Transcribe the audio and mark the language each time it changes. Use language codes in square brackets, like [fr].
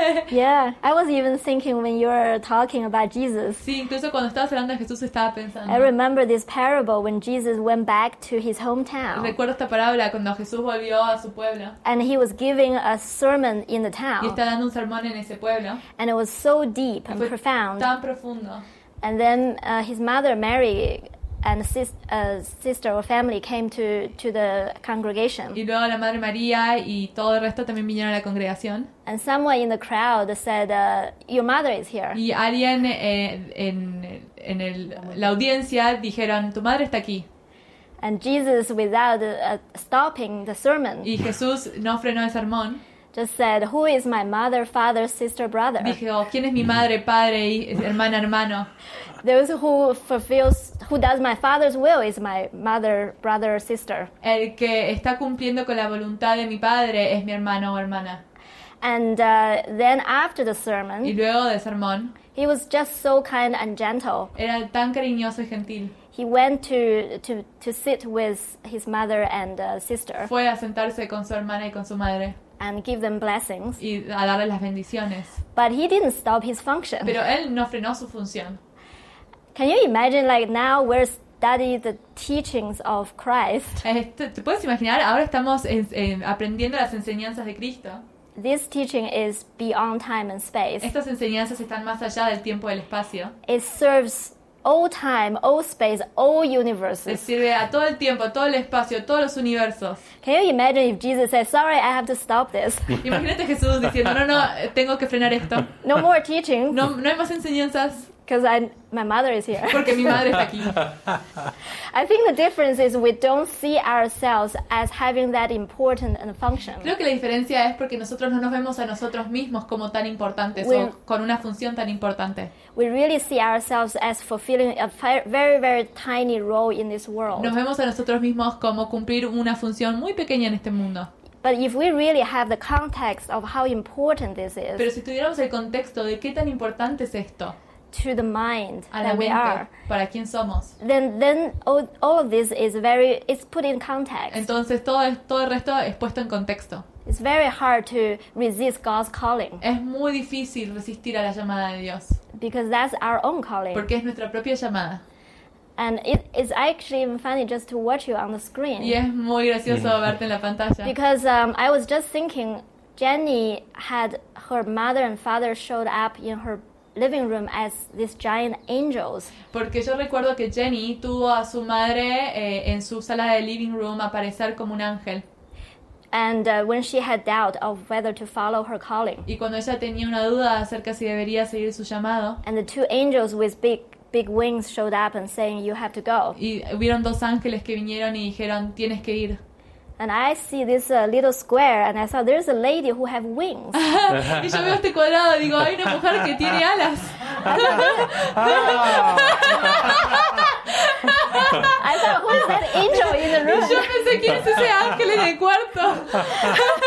[en] Yeah, I was even thinking when you were talking about Jesus. [es] Sí, incluso cuando estabas hablando de Jesús, estaba pensando. [en] I remember this parable when Jesus went back to his hometown. [es] Recuerdo esta parábola cuando Jesús volvió a su pueblo. [en] And he was giving a sermon in the town. [es] Y estaba dando un sermón en ese pueblo. [en] And it was so deep and profound. [es] Tan profundo. [en] And then his mother Mary and sister or family came to the congregation. [es] Y luego la madre María y todo el resto también vinieron a la congregación. [en] And someone in the crowd said, "Your mother is here." [es] Y alguien en en el la audiencia dijeron, tu madre está aquí. [en] And Jesus, without stopping the sermon, [es] y Jesús no frenó el sermón, [en] just said, "Who is my mother, father, sister, brother?" [es] Dijo, ¿quién es mi madre, padre, hermana, hermano? [en] Those who fulfills, who does my father's will, is my mother, brother, sister. [es] El que está cumpliendo con la voluntad de mi padre es mi hermano o hermana. [en] And then after the sermon, [es] y luego del sermón, [en] he was just so kind and gentle. [es] Era tan cariñoso y gentil. [en] He went to sit with his mother and sister. [es] Fue a sentarse con su hermana y con su madre. [en] And give them blessings. [es] Y a darles las bendiciones. [en] But he didn't stop his function. [es] Pero él no frenó su función. [en] Can you imagine, like, now we're studying the teachings of Christ? [es] ¿Te puedes imaginar? Ahora estamos aprendiendo las enseñanzas de Cristo. [en] This teaching is beyond time and space. [es] Estas enseñanzas están más allá del tiempo y el espacio. [en] It serves all time, all space, all universes. [es] Le sirve a todo el tiempo, todo el espacio, todos los universos. [en] Can you imagine if Jesus says, "Sorry, I have to stop this"? [es] Imagínate Jesús diciendo, no, tengo que frenar esto. [en] No more teaching. [es] No hay más enseñanzas. [en] Because my mother is here. [es] Porque mi madre está aquí. [en] I think the difference is we don't see ourselves as having that important a function. [es] Creo que la diferencia es porque nosotros no nos vemos a nosotros mismos como tan importantes o con una función tan importante. [en] We really see ourselves as fulfilling a very, very tiny role in this world. [es] Nos vemos a nosotros mismos como cumplir una función muy pequeña en este mundo. [en] But if we really have the context of how important this is. [es] Pero si tuviéramos el contexto de qué tan importante es esto. [en] To the mind [es] a la [en] that we are. [es] Para quién somos. [en] Then all of this is very, it's put in context. [es] Entonces todo el resto es puesto en contexto. [en] It's very hard to resist God's calling. [es] Es muy difícil resistir a la llamada de Dios. [en] Because that's our own calling. [es] Porque es nuestra propia llamada. [en] And it's actually even funny just to watch you on the screen. [es] Y es muy gracioso verte en la pantalla. [en] Because I was just thinking, Jenny had her mother and father showed up in her living room as these giant angels. [es] Porque yo recuerdo que Jenny tuvo a su madre en su sala de [en] living room [es] aparecer como un ángel. [en] And when she had doubt of whether to follow her calling. [es] Y cuando ella tenía una duda acerca si debería seguir su llamado. [en] And the two angels with big wings showed up and saying you have to go. [es] Y hubieron dos ángeles que vinieron y dijeron tienes que ir. [en] And I see this little square, and I saw there's a lady who have wings. [es] Y yo veo este cuadrado, digo, hay una mujer que tiene alas. [en] I thought, who's that angel in the room? [es] Yo pensé, ¿quién es ese ángel en el cuarto?